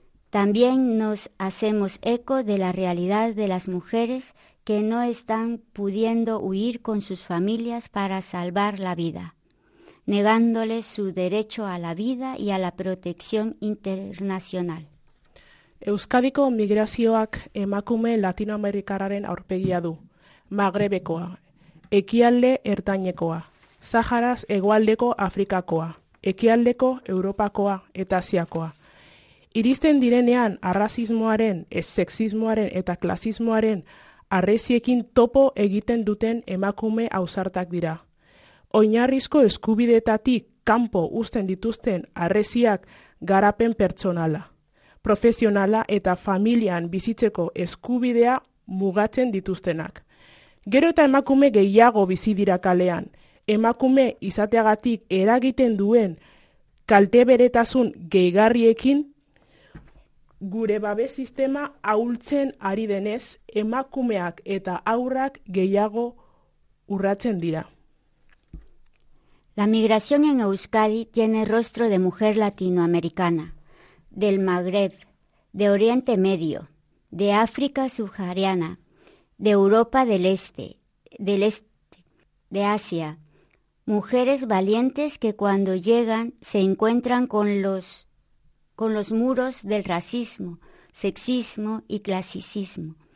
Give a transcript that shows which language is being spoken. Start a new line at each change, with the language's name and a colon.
Spanish: También nos hacemos eco de la realidad de las mujeres que no están pudiendo huir con sus familias para salvar la vida, negándoles su derecho a la vida y a la protección internacional.
Basque: Euskadiko migrazioak emakume latinoamerikararen aurpegia du. Magrebekoa, ekialde ertainekoa, Saharaz hegoaldeko Afrikakoa, ekialdeko Europakoa eta Asiakoa. Iristen direnean arrazismoaren, ez-sexismoaren eta klasismoaren arreziekin topo egiten duten emakume ausartak dira. Oinarrizko eskubideetatik kanpo uzten dituzten arreziak garapen pertsonala, profesionala eta familian bizitzeko eskubidea mugatzen dituztenak. Gero eta emakume gehiago bizi dira kalean, emakume izateagatik eragiten duen kalteberetasun gehigarriekin gure babes sistema ahultzen ari denez, emakumeak eta aurrak gehiago urratzen dira.
Spanish: La migración en Euskadi tiene rostro de mujer latinoamericana, del Magreb, de Oriente Medio, de África subsahariana, de Europa del Este, de Asia. Mujeres valientes que cuando llegan se encuentran con los muros del racismo, sexismo y clasicismo.